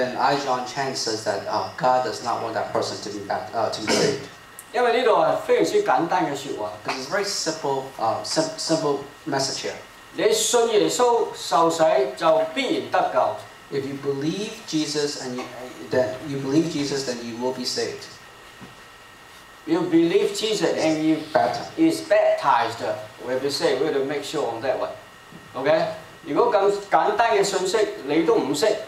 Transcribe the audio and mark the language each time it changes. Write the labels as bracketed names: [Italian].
[English] Then I, John Chan, says that God does not want that person to be saved. [Cantonese] 因為呢度係非常之簡單嘅説話。 [English] Because it's a very simple, simple message here. [Cantonese] 你信耶穌受洗就必然得救。 [English] If you believe Jesus and you believe Jesus, then you will be saved. You believe Jesus and you is baptized. We'll be saved. We'll make sure on that one. Okay? [Cantonese] 如果咁簡單嘅信息你都唔識。